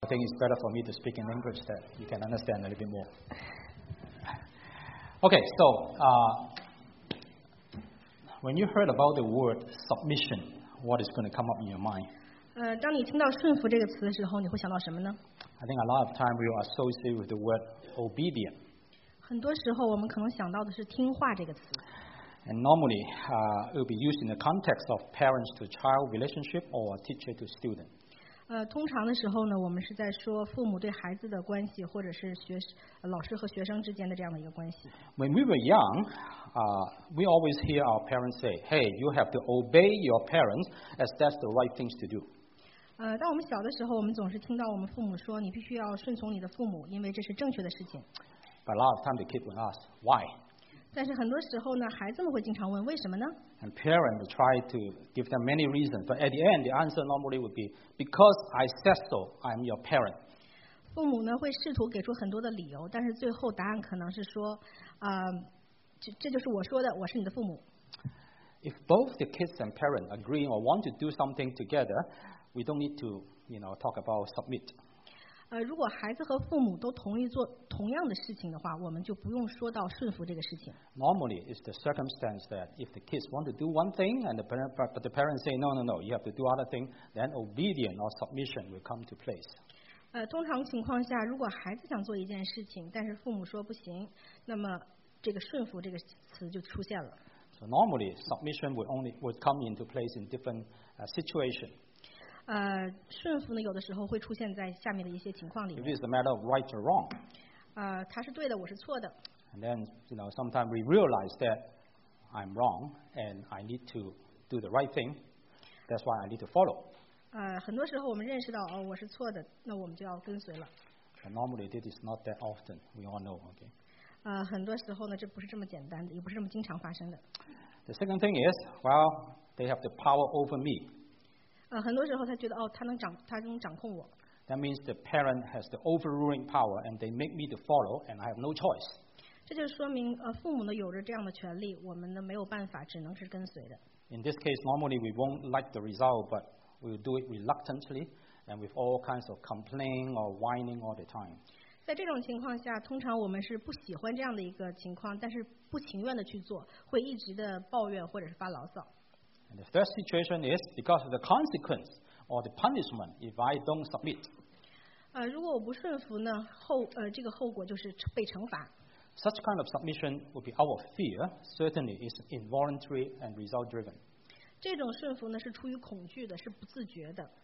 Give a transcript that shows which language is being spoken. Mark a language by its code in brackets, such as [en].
[en] I think it's better for me to speak in English that you can understand a little bit more. Okay, so when you heard about the word submission, what is going to come up in your mind? [zh] 当你听到顺服这个词的时候，你会想到什么呢？ [en] I think a lot of time we will associate with the word obedient. [zh] 很多时候我们可能想到的是听话这个词。 [en] And normally, it will be used in the context of parents to child relationship or teacher to student. [zh] 通常的时候呢，我们是在说父母对孩子的关系，或者是老师和学生之间的这样的一个关系。 [en] When we were young, we always hear our parents say, "Hey, you have to obey your parents, as that's the right things to do." [zh] 当我们小的时候，我们总是听到我们父母说，你必须要顺从你的父母，因为这是正确的事情。 [en] But a lot of time the kids would ask, "Why?" [zh] 但是很多时候呢，孩子们会经常问为什么呢？ [en] And parents would try to give them many reasons, but at the end, the answer normally would be, "Because I said so, I'm your parent." [zh] 父母呢会试图给出很多的理由，但是最后答案可能是说，这就是我说的，我是你的父母。 [en] If both the kids and parents agree or want to do something together, we don't need to, you know, talk about submit. [zh] 如果孩子和父母都同意做同样的事情的话，我们就不用说到顺服这个事情。 [en] Normally, it's the circumstance that if the kids want to do one thing and the parents say no, you have to do other thing, then obedience or submission will come to place. [zh] 通常情况下，如果孩子想做一件事情，但是父母说不行，那么这个顺服这个词就出现了。 [en] So normally submission would come into place in different situation. [zh] 顺服呢，有的时候会出现在下面的一些情况里面。 [en] If it's a matter of right or wrong. [zh] 它是对的，我是错的。 [en] And then, you know, sometimes we realize that I'm wrong and I need to do the right thing. That's why I need to follow. [zh] 很多时候我们认识到哦，我是错的，那我们就要跟随了。 [en] But normally, this is not that often. We all know, okay. [zh] 很多时候呢，这不是这么简单的，也不是这么经常发生的。 [en] The second thing is, well, they have the power over me. [zh] 很多时候他觉得哦，他能掌控我。 [en] That means the parent has the overruling power, and they make me to follow, and I have no choice. [zh] 这就说明父母呢有着这样的权利，我们呢没有办法，只能是跟随的。 [en] In this case, normally we won't like the result, but we do it reluctantly, and with all kinds of complaining or whining all the time. [zh] 在这种情况下，通常我们是不喜欢这样的一个情况，但是不情愿的去做，会一直的抱怨或者是发牢骚。 [en] And the third situation is because of the consequence or the punishment if I don't submit. [zh] 如果我不顺服呢，这个后果就是被惩罚。 [en] Such kind of submission would be out of fear. Certainly, it's involuntary and result-driven. [zh] 这种顺服呢是出于恐惧的，是不自觉的。